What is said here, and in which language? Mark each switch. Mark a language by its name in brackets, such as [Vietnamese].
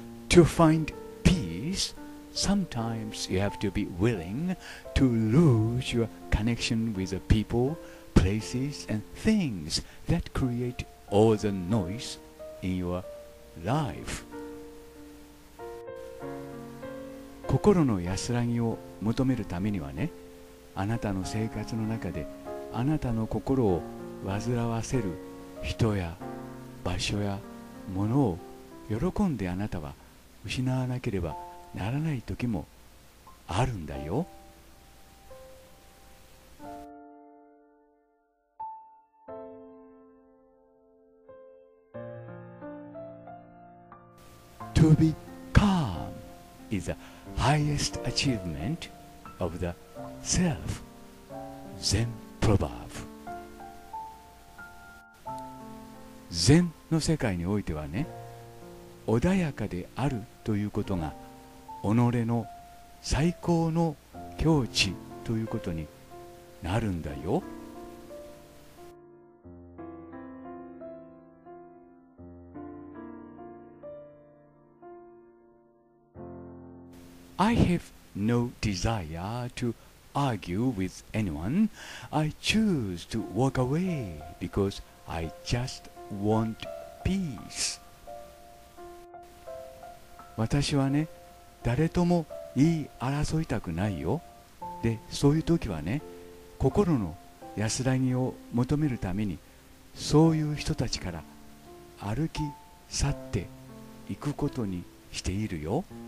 [English] To find peace, sometimes you have to be willing to lose your connection with the people, places and things that create all the noise in your life. [Japanese] 心の安らぎを求めるためにはね、あなたの生活の中であなたの心を煩わせる人や場所やものを喜んであなたは失わなければならない時もあるんだよ。 [English] To be calm is the highest achievement of the self. Zen proverb. [Japanese] Zen の世界においてはね、穏やかであるということが己の最高の境地ということになるんだよ。 [English] I have no desire to argue with anyone. I choose to walk away because I just want peace. [Japanese] 私はね、誰とも言い争いたくないよ。で、そういう時はね、心の安らぎを求めるためにそういう人たちから歩き去っていくことにしているよ。